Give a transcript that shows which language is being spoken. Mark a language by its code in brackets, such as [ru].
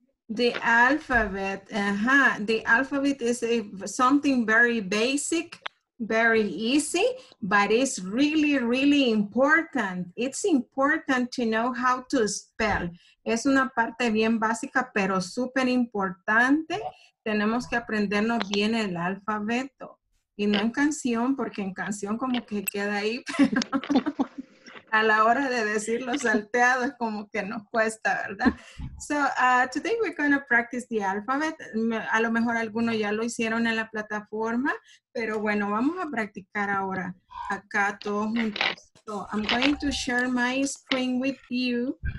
[en] The alphabet, The alphabet is something very basic, very easy, but it's really, really important. It's important to know how to spell. [es] Es una parte bien básica, pero súper importante. Tenemos que aprendernos bien el alfabeto. Y no en canción, porque en canción como que queda ahí, pero a la hora de decirlo salteado es como que nos cuesta, ¿verdad? [en] Today we're going to practice the alphabet. [es] A lo mejor algunos ya lo hicieron en la plataforma, pero bueno, vamos a practicar ahora acá todos juntos. [en] So, I'm going to share my screen with you.